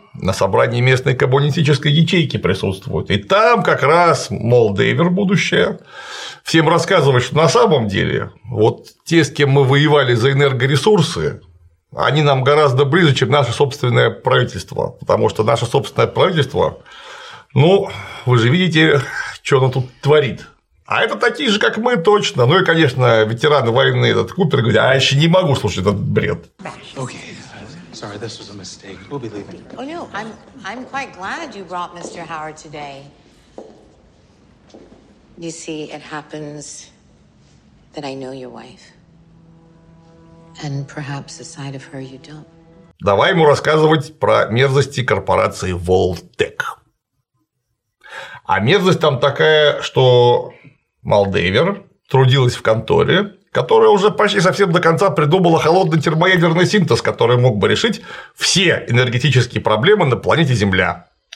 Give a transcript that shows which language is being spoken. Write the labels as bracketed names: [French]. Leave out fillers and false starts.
[Russian] На собрании местной коммунистической ячейки присутствует. И там как раз, мол, Дейвер будущее, всем рассказывает, что на самом деле вот те, с кем мы воевали за энергоресурсы, они нам гораздо ближе, чем наше собственное правительство. Потому что наше собственное правительство, ну, вы же видите, что оно тут творит. А это такие же, как мы, точно. Ну и, конечно, ветераны войны, этот Купер говорит, а я еще не могу слушать этот бред. [English] Sorry, this was a mistake. We'll be leaving. Oh, no, I'm quite glad you brought Mr. Howard today. You see, it happens that I know your wife. And perhaps the side of her you don't. [Russian] Давай ему рассказывать про мерзости корпорации Волтек. А мерзость там такая, что Мал Дэвер трудилась в конторе, которая уже почти совсем до конца придумала холодный термоядерный синтез, который мог бы решить все энергетические проблемы на планете Земля.